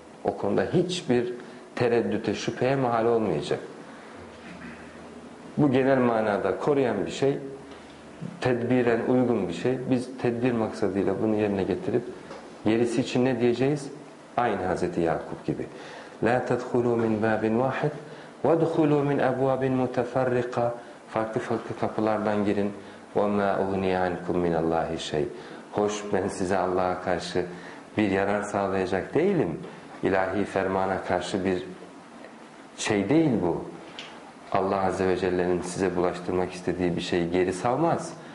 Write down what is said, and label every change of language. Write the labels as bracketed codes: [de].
[tr] O konuda hiçbir tereddüte, şüpheye mahal olmayacak. Bu genel manada koruyan bir şey, tedbiren uygun bir şey. Biz tedbir maksadıyla bunu yerine getirip gerisi için ne diyeceğiz? Aynı Hazreti Yakup gibi. [ar] لَا تَدْخُلُوا مِنْ بَابٍ وَاحِدٍ وَدْخُلُوا مِنْ أَبْوَابٍ مُتَفَرِّقَ [tr] Farklı farklı kapılardan girin. [ar] وَمَا اُغْنِيَ عَنْكُمْ مِنَ اللّٰهِ شَيْءٍ [tr] Hoş ben size Allah'a karşı bir yarar sağlayacak değilim. İlahi fermana karşı bir şey değil bu. Allah Azze ve Celle'nin size bulaştırmak istediği bir şeyi geri salmaz.